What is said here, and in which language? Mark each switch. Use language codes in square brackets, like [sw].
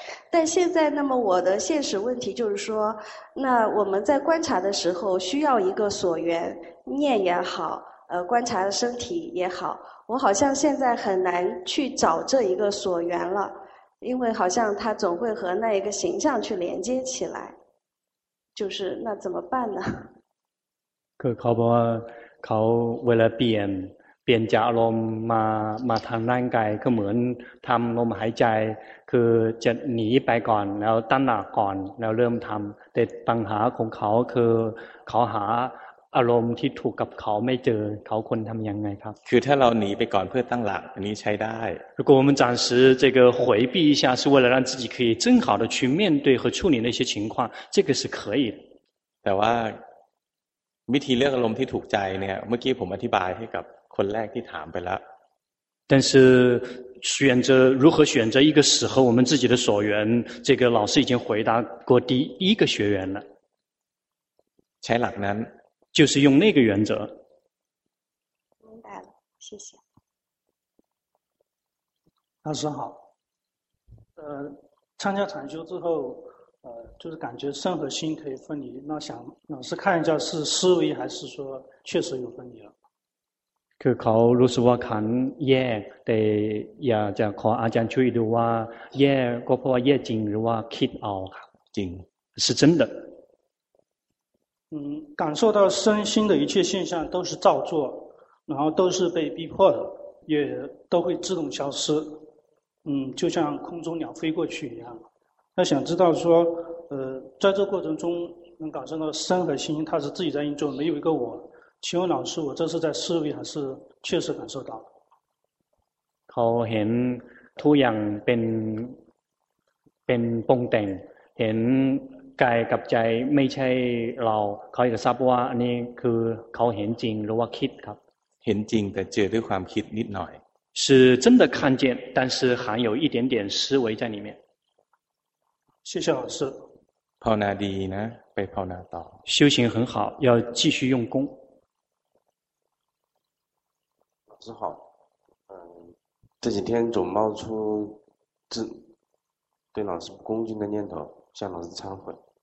[zh] 但现在那么我的现实问题就是说，那我们在观察的时候需要一个所缘，念也好，观察身体也好，我好像现在很难去找这一个所缘了，因为好像它总会和那一个形象去连接起来，就是那怎么办呢？可靠不靠为了变 [th] เปลี่ยนจากอารมณ์มาทางร่างกายก็เหมือนทำลมหายใจคือจะหนีไปก่อนแล้วตั้งหลักก่อนแล้วเริ่มทำแต่ปัญหาของเขาคือเขาหาอารมณ์ที่ถูกกับเขาไม่เจอเขาควรทำยังไงครับ คือถ้าเราหนีไปก่อนเพื่อตั้งหลักอันนี้ใช้ได้ [zh] 如果我们暂时这个回避一下是为了让自己可以正好的去面对和处理那些情况这个是可以 [th] 的แต่ว่าวิธีเลือกอารมณ์ที่ถูกใจเนี่ยเมื่อกี้ผมอธิบายให้กับคนแรกที่ถามไปแล้ว [zh] 但是选择如何选择一个适合我们自己的所缘这个老师已经回答过第一个学员了 [th] ใช้หลักนั้น [zh] 就是用那个原则明白了谢谢老师好参加禅修之后就是感觉身和心可以分离那想老师看一下是思维还是说确实有分离了 [th] คือเขารู้สึกว่าขันแยกแต่อยากจะขออาจารย์ช่วยดูว่าแยกก็เพราะว่าแยกจริงหรือว่าคิดเอาครับ จริง [zh] 是真的感受到身心的一切现象都是造作然后都是被逼迫的也都会自动消失就像空中鸟飞过去一样那想知道说在这过程中能感受到身和心它是自己在运作没有一个我请问老师我这是在思维还是确实感受到 [th] เขาเห็นทุกอย่างเป็นปรุงแต่งเห็นกายกับใจไม่ใช่เราเขาจะทราบว่าอันนี้คือเขาเห็นจริงหรือว่าคิดครับ เห็นจริงแต่เจอด้วยความคิดนิดหน่อย [zh] 是真的看见但是含有一点点思维在里面谢谢老师 [th] ภาวนาดีนะไปภาวนาต่อ [zh] 修行很好要继续用功老师好，这几天总冒出对老师不恭敬的念头，向老师忏悔。